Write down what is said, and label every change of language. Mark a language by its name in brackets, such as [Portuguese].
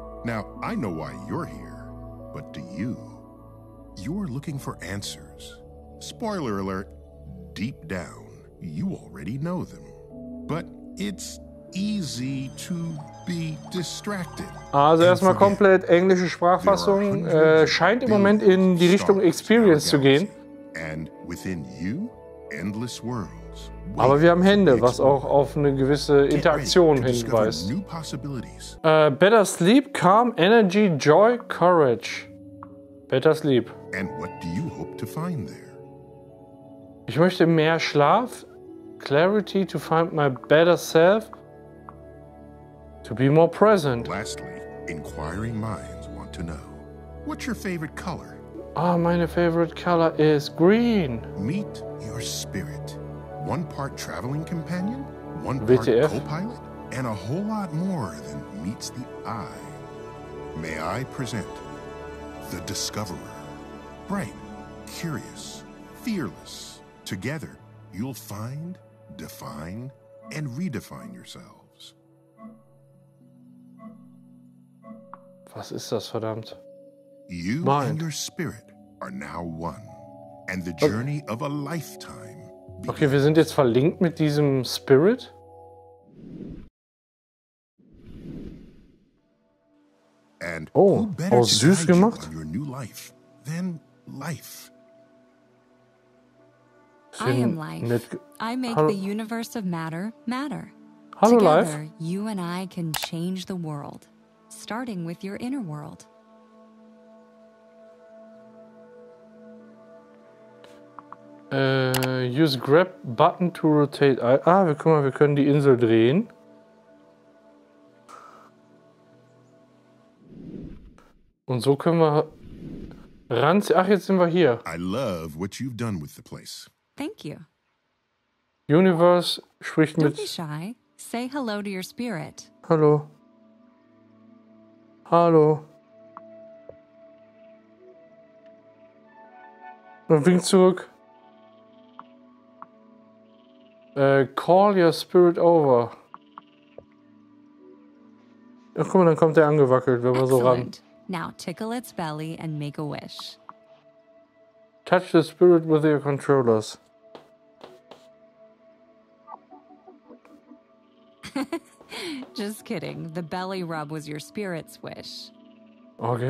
[English] Now, I know why you're here, but do you? You're looking for answers. Spoiler alert, deep down, you already know them. But it's easy to be distracted. [German] Also erstmal komplett englische Sprachfassung, scheint im Moment in die Richtung Experience zu gehen. [English] And within you, endless worlds. [German] Aber wir haben Hände, was auch auf eine gewisse Interaktion hinweist. [English] Better sleep, calm, energy, joy, courage. Better sleep. And what do you hope to find there? [German] Ich möchte mehr Schlaf, [English] clarity to find my better self. To be more present. Lastly, inquiring minds want to know, what's your favorite color? Ah, meine favorite color is green. Meet your spirit. One part traveling companion, one part co-pilot, and a whole lot more than meets the eye. May I present the discoverer. Bright, curious, fearless. Together, you'll find, define, and redefine yourself. [German] Was ist das, verdammt? [English] You Mind. And your spirit are now one. And the journey of a lifetime. [German] Okay, wir sind jetzt verlinkt mit diesem Spirit. [English] And [German] oh, auch süß gemacht. [English] You new life than life. I am life. I make [German] Hallo. [English] The universe of matter matter. [German] Hallo, [English] Together, life. You and I can change the world. Starting with your inner world. Use grab button to rotate. [German] Ah, guck mal, wir können die Insel drehen. Und so können wir ranziehen. Ach, jetzt sind wir hier. [English] I love what you've done with the place. Thank you. [German] Universe spricht [English] Don't [German] mit. [English] Don't be shy. Say hello to your spirit. [German] Hallo. Hallo. Und wink zurück. [English] Call your spirit over. [German] Ach guck mal, dann kommt der angewackelt, wenn man so ran. [English] Now tickle its belly and make a wish. Touch the spirit with your controllers. Just kidding. The belly rub was your spirit's wish. Okay.